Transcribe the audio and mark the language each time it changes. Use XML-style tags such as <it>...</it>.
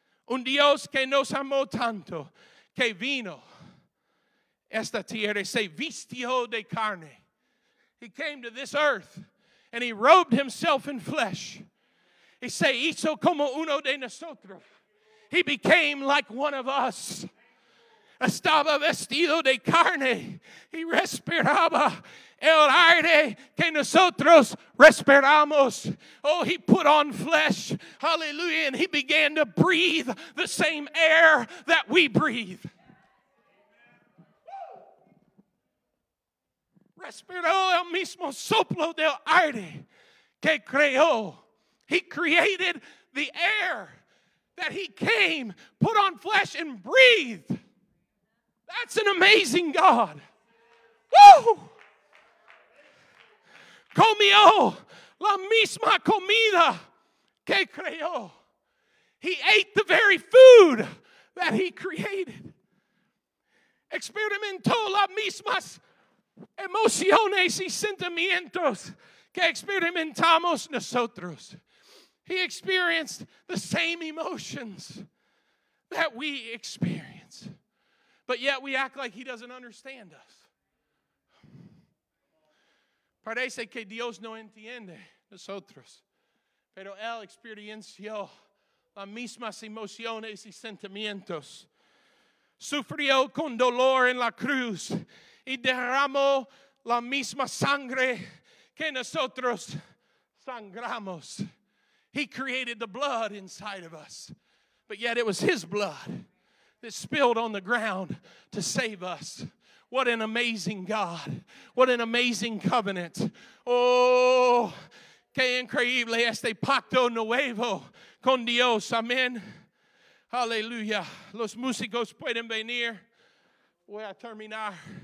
<es>Un Dios que nos amó tanto, que vino esta tierra, se vistió de carne.</es> <en>He came to this earth and he robed himself in flesh.</en> <es>Y se hizo como uno de nosotros.</es> <en>He became like one of us.</en> <es>Estaba vestido de carne. Y respiraba el aire que nosotros respiramos.</es> <en>Oh, he put on flesh. Hallelujah. And he began to breathe the same air that we breathe.</en> <es>Respiró el mismo soplo del aire que creó.</es> <en>He created the air that he came, put on flesh and breathed. That's an amazing God. Woo!</en> <es>Comió la misma comida que creó.</es> <en>He ate the very food that he created.</en> <es>Experimentó las mismas emociones y sentimientos que experimentamos nosotros.</es> <en>He experienced the same emotions that we experience. But yet we act like he doesn't understand us.</en> <es>Parece que Dios no entiende nosotros. Pero él experienció las mismas emociones y sentimientos. Sufrió con dolor en la cruz. Y derramó la misma sangre que nosotros sangramos.</es> <en>He created the blood inside of us. But yet it was his blood that spilled on the ground to save us. What an amazing God. What an amazing covenant.</en> <es>Oh, que increíble este pacto nuevo con Dios. Amen. Hallelujah. Los músicos pueden venir. Voy a terminar.</es>